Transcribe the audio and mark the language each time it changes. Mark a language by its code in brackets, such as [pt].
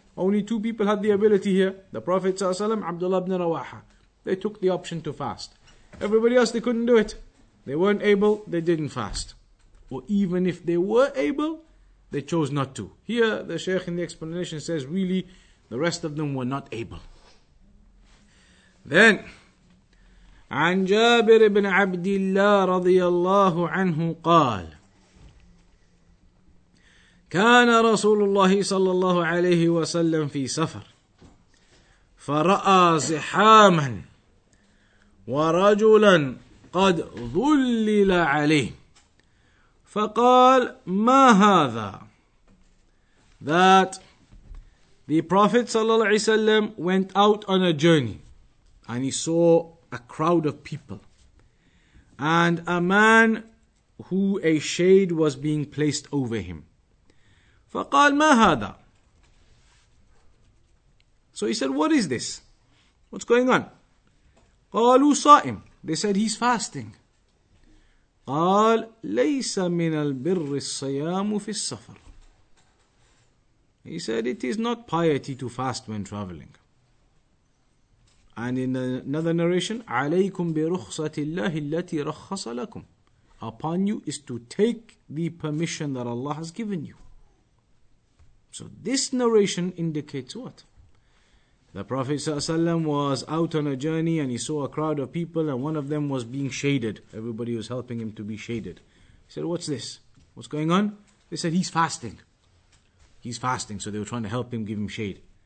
[en] Only two people had the ability here. The Prophet ﷺ, Abdullah ibn Rawaha. They took the option to fast. Everybody else, they couldn't do it. They weren't able, they didn't fast. Or even if they were able, they chose not to. Here, the Shaykh in the explanation says, really, the rest of them were not able. [ar] Then, عن جابر بن عبد الله رضي الله عنه قال كان رسول الله صلى الله عليه وسلم في سفر فرأى زحاما ورجلا قد ظلل عليه فقال ما هذا. [en] That the Prophet صلى الله عليه وسلم went out on a journey and he saw a crowd of people and a man who a shade was being placed over him. [ar] فقال ما هذا. [en] So he said, what is this? What's going on? [ar] قالوا صائم. [en] They said he's fasting. [ar] قال ليس من البر الصيام في السفر. [en] He said it is not piety to fast when traveling. And in another narration, [ar] عليكم برخصة الله التي رخص لكم. [en] Upon you is to take the permission that Allah has given you. So this narration indicates what? The Prophet ﷺ was out on a journey and he saw a crowd of people and one of them was being shaded. Everybody was helping him to be shaded. He said, what's this? What's going on? They said, he's fasting. He's fasting. So they were trying to help him, give him shade.